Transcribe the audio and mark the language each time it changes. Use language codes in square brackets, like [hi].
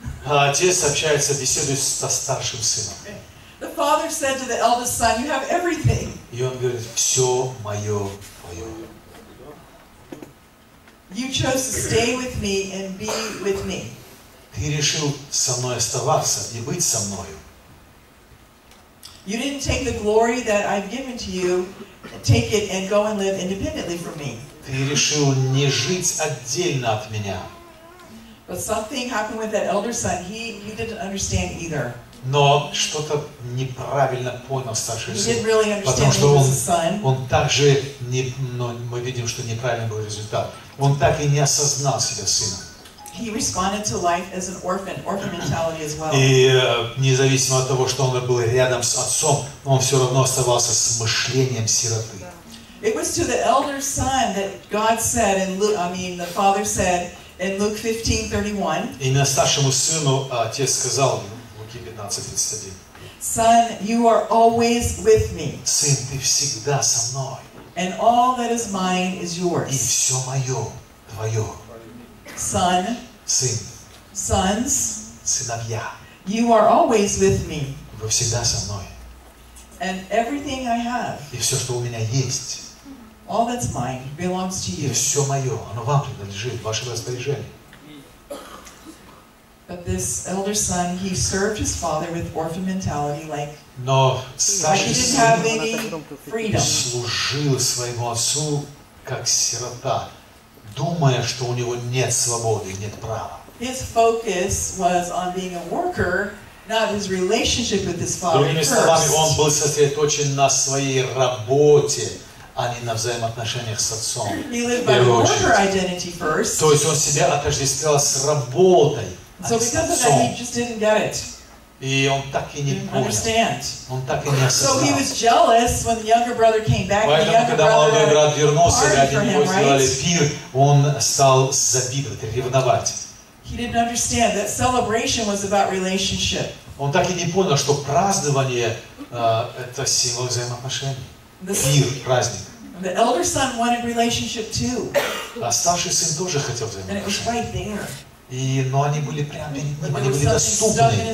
[ru] Отец общается, беседует со старшим сыном. [en] The father said to the eldest son, "You have everything." [ru] И он говорит, все мое, твое. [en] You chose to stay with me and be with me. [ru] Ты решил со мной оставаться и быть со мною. [en] You didn't take the glory that I've given to you, take it and go and live independently from me. [ru] Ты решил не жить отдельно от меня. [en] But something happened with that elder son. He didn't understand either. [ru] Но что-то неправильно понял старший сын. [en] He didn't really understand [ru] потому что [en] he was a son. [ru] Он также не, но мы видим, что неправильный был результат. Он так и не осознал себя сыном. [en] He responded to life as an orphan mentality as well. [ru] И независимо от того, что он был рядом с отцом, он все равно оставался с мышлением сироты. [en] It was to the elder son that God said, the father said in Luke 15:31. [ru] И на старшему сыну отец сказал в Луки 15:31. [en] Son, you are always with me. [ru] Сын, ты всегда со мной. [en] And all that is mine is yours. [ru] И все мое, твое. [en] Son. [ru] Сын. [en] Sons. [ru] Сыновья. [en] You are always with me. [ru] Вы всегда со мной. [en] And everything I have. [ru] И все, что у меня есть. [en] All that's mine belongs to you. [ru] И все мое, оно вам принадлежит, ваше распоряжение. [en] But this elder son, he served his father with orphan mentality, like. [ru] Но старший сын [en] any freedom. [ru] Служил своему отцу как сирота, думая, что у него нет свободы, нет права. [en] His focus was on being a worker, not his relationship with his father. [ru] Другими словами, он был сосредоточен на своей работе, а не на взаимоотношениях с отцом. [en] He lived by worker identity first. [ru] То есть он себя отождествлял с работой, [en] so [ru] а не с отцом. [en] That, he just didn't get it. [ru] И он так и не понял. [en] Understand. [ru] Он так и не осознал. [en] So he was jealous when the younger brother came back. [ru] Поэтому, когда молодой брат вернулся, и они ему сделали [en] right? [ru] пир, он стал завидовать, ревновать. [en] He didn't understand that celebration was about relationship. [ru] Он так и не понял, что празднование это сила взаимоотношений. Мир, праздник. [en] The elder son wanted relationship too. [ru] А старший сын тоже хотел взаимоотношений. Но они были прямо перед ним, они были доступны.